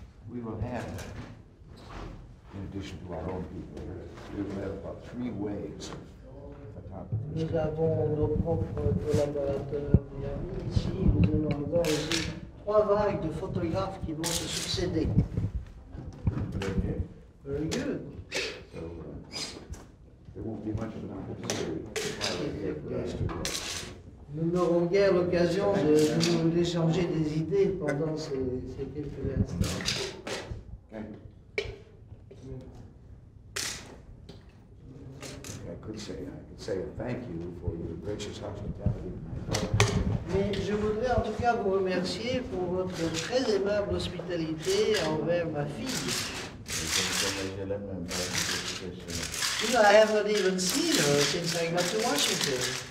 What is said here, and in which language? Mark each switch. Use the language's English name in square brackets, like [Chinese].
[English] We will have, in addition to our own people, we will have about three waves of photographers. [French] Nous avons nos propres collaborateurs ici. Nous allons avoir aussi trois vagues de photographes qui vont se succéder. [English] Very good. Very good. So there won't be much of an opportunity for us to grow. [French] Nous n'aurons guère l'occasion de nous échanger des idées pendant ces quelques instants. [English] I could say thank you for your gracious hospitality. [French] Mais je voudrais en tout cas vous remercier pour votre très aimable hospitalité envers ma fille. [English] You know, I haven't even seen her since I got to Washington.